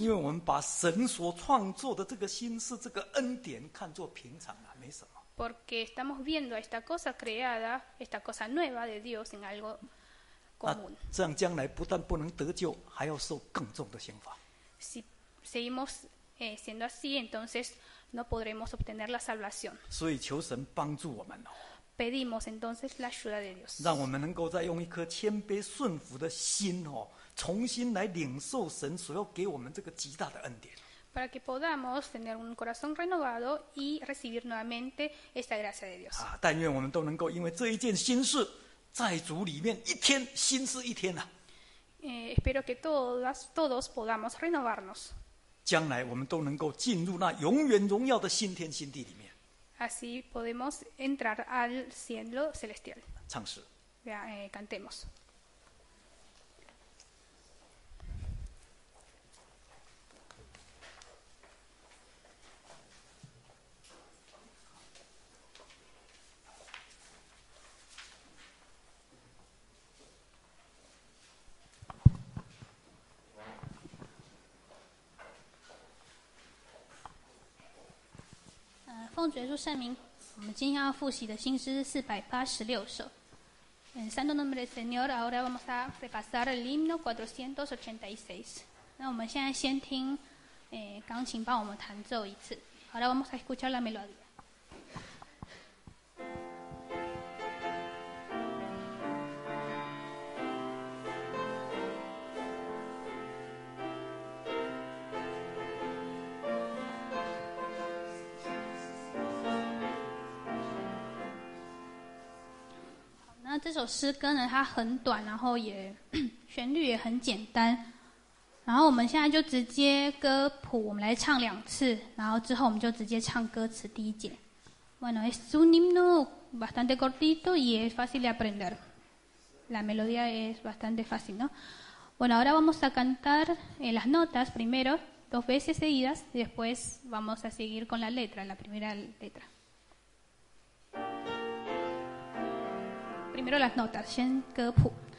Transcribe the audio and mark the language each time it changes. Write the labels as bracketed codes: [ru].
[zh] 因为我们把神所创作的这个心思、这个恩典看作平常了，没什么。 [es] Porque estamos viendo esta cosa creada, esta cosa nueva de Dios en algo común. [zh] 这样将来不但不能得救，还要受更重的刑罚。 [es] Si seguimos siendo así, entonces no podremos obtener la salvación. [zh] 所以求神帮助我们哦。 [es] Pedimos entonces la ayuda de Dios. [zh] 让我们能够再用一颗谦卑顺服的心哦，重新来领受神所要给我们这个极大的恩典。 [es] Para que podamos tener un corazón renovado y recibir nuevamente esta gracia de Dios. [zh] 啊，但愿我们都能够因为这一件心事，在主里面一天心思一天呐、啊。 [es] Espero que todos podamos renovarnos. [zh] 将来我们都能够进入那永远荣耀的新天新地里面。 [es] Así podemos entrar al cielo celestial. [zh] 唱诗。 [es] Cantemos. [zh] 奉主耶稣圣名，我们今天要复习的新诗是486首。 [es] En santo nombre del Señor, ahora vamos a repasar el himno 486. [zh] 那我们现在先听，钢琴帮我们弹奏一次。 [es] Ahora vamos a escuchar la melodía. [zh] 那这首诗歌呢，它很短，然后也旋律也很简单，然后我们现在就直接歌谱我们来唱两次，然后之后我们就直接唱歌词第一节。 [es] Bueno, es un himno bastante cortito y es fácil de aprender. La melodía es bastante fácil, ¿no? Bueno, ahora vamos a cantar las notas primero dos veces seguidas y después vamos a seguir con la letra, la primera letraPrimero las notas, [zh] 先歌谱。